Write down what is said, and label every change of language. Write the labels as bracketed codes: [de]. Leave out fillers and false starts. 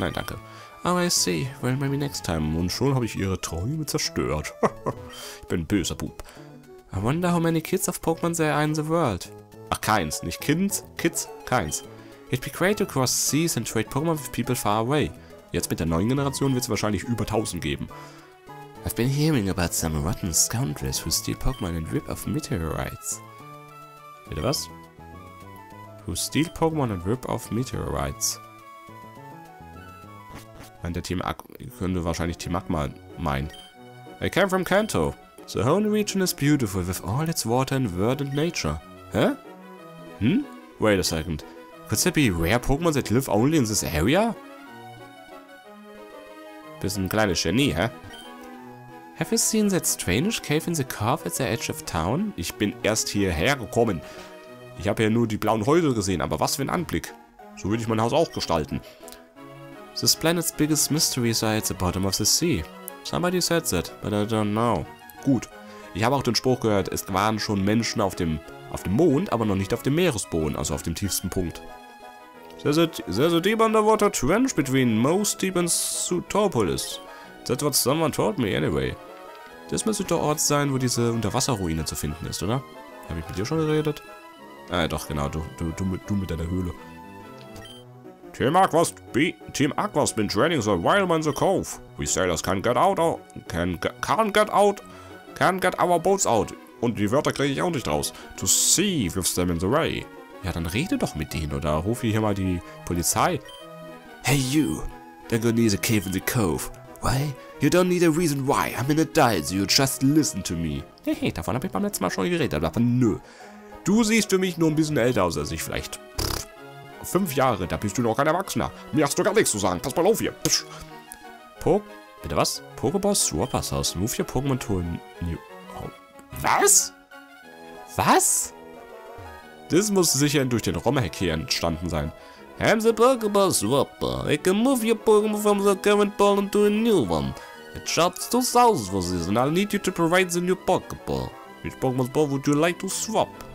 [de] Nein, danke. [en] Oh, I see. Well, maybe next time. [de] Und schon habe ich ihre Träume zerstört. Ich bin ein böser Bub. [en] I wonder how many kids of Pokemon there are in the world. [de] Ach, keins. Nicht Kids, Kids, keins. [en] It'd be great to cross seas and trade Pokemon with people far away. [de] Jetzt mit der neuen Generation wird es wahrscheinlich über 1000 geben. [en] I've been hearing about some rotten scoundrels who steal Pokemon and rip off meteorites. [de] Bitte was? [en] Who steal Pokemon and rip off meteorites. [de] Meint der Team könnte wahrscheinlich Team Magma meinen. [en] I came from Kanto. The whole region is beautiful with all its water and verdant nature. Hä? Hm? Wait a second. Could there be rare Pokémon that live only in this area? [de] Bist ein kleines Genie, hä? [en] Have you seen that strange cave in the curve at the edge of town? [de] Ich bin erst hierher gekommen. Ich habe ja nur die blauen Häuser gesehen, aber was für ein Anblick. So würde ich mein Haus auch gestalten. [en] This planet's biggest mysteries are at the bottom of the sea. Somebody said that, but I don't know. Gut. [de] Ich habe auch den Spruch gehört, es waren schon Menschen auf dem Mond, aber noch nicht auf dem Meeresboden, also auf dem tiefsten Punkt. [en] There's a deep underwater trench between most deep and Zootopolis. That's what someone told me anyway. [de] Das müsste der Ort sein, wo diese Unterwasserruine zu finden ist, oder? Habe ich mit dir schon geredet? Doch, genau, du mit deiner Höhle. [en] Team Aqua's been training the wild man in the cove. We sailors can't get our boats out. [de] Und die Wörter kriege ich auch nicht raus. [en] To see with them in the way. [de] Ja, dann rede doch mit denen oder ruf hier mal die Polizei. [en] Hey you, don't go near the cave in the cove. Why? You don't need a reason why. I'm in a dial, so you just listen to me. [de] Hey, davon habe ich beim letzten Mal schon geredet, aber nö. Du siehst für mich nur ein bisschen älter aus als ich vielleicht. 5 Jahre, da bist du noch kein Erwachsener. Mir hast du gar nichts zu sagen. Pass mal auf hier. Psch. Bitte was? [en] Pokéball Swappers aus. Move your Pokémon to a new [de] home. Was? Was? Das muss sicher durch den ROM-Hack hier entstanden sein. [en] I'm the Pokéball Swapper. I can move your Pokémon from the current ball into a new one. It charts 2000 for this and I'll need you to provide the new Pokéball. Which Pokémon ball would you like to swap?